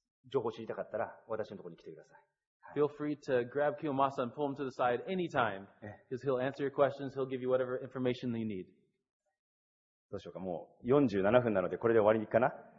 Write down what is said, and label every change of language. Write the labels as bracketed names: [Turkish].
[Japanese] 情報を知りたかったら私のところに来てください。 [English] Feel free to grab Kiyomasa and pull him to the side anytime, because he'll answer your questions. He'll give you whatever information that you need. [Japanese] どうしようか、もう47分なのでこれで終わりかな。